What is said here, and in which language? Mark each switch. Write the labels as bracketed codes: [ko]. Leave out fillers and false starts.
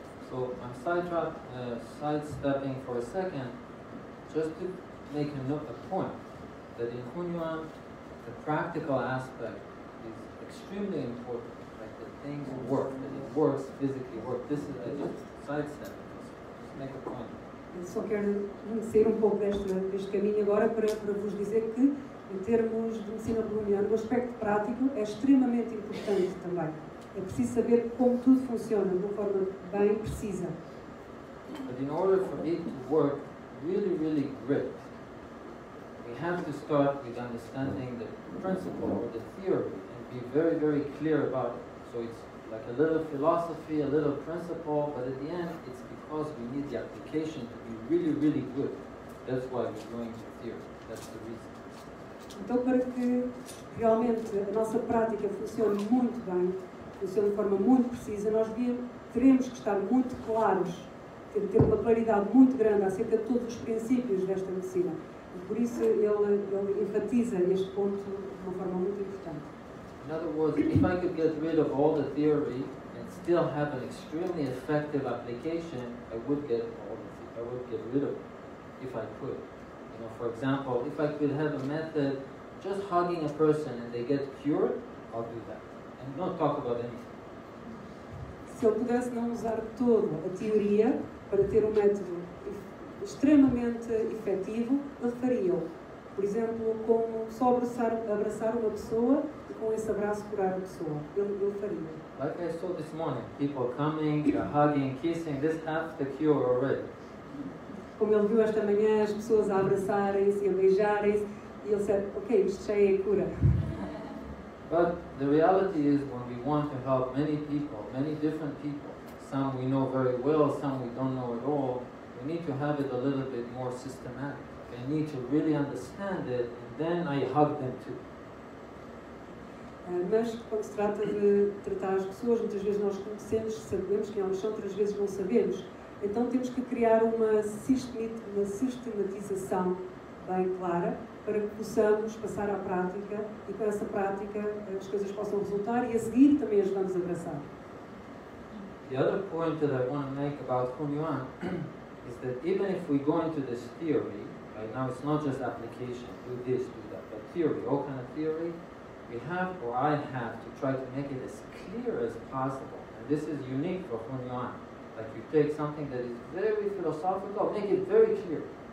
[en] So I'm sidestepping for a second, just to make a point that in Hunyuan, the practical aspect is extremely important. Like the things work, that it works physically. Work. This is I just sidestep. Just make a point. [pt] Só quero conhecer pouco deste caminho agora para vos dizer que em termos de ensino boliviano, o aspecto prático é extremamente importante também. É preciso saber como tudo funciona de uma forma bem precisa. [en] But in order for it to work really, really great, we have to start with understanding the principle or the theory and be very, very clear about it. So it's like a little philosophy, a little principle, but at the end, it's because we need the application to be really, really good. That's why we're going to theory. That's the reason. [pt] Então, para que realmente a nossa prática funcione muito bem, funcione de forma muito precisa, nós teremos que estar muito claros, ter uma claridade muito grande acerca de todos os princípios desta medicina. E por isso ele enfatiza este ponto de uma forma muito importante. [en] In other words, if I could get rid of all the theory and still have an extremely effective application, I would get all the theory. I would get rid of it if I could. You know, for example, if I could have a method just hugging a person and they get cured, I'll do that. And not talk about anything. [pt] Se eu pudesse não usar toda a teoria para ter método extremamente efetivo, eu faria. Por exemplo, como só abraçar uma pessoa e com esse abraço curar a pessoa. Eu faria. [en] Like I saw this morning, people coming, hugging, kissing, this half the cure already. [pt] Como ele viu esta manhã, as pessoas a abraçarem-se e a beijarem-se, e ele disse, ok, isto já é a cura. [en] But the reality is, when we want to help many people, many different people, some we know very well, some we don't know at all, we need to have it a little bit more systematic. I need to really understand it, and then I hug them too. [pt] Mas quando se trata de tratar as pessoas, muitas vezes nós conhecemos, sabemos quem elas são, outras vezes não sabemos. Então temos que criar uma sistematização bem clara para que possamos passar à prática e com essa prática as coisas possam resultar e a seguir também as vamos abraçar. [en] The other point that I want to make about Hunyuan is that even if we go into this theory, right now it's not just application, do this, do that, but theory, all kind of theory, we have or I have to try to make it as clear as possible. And this is unique for Hunyuan. Like you take something that is very philosophical, make it very clear.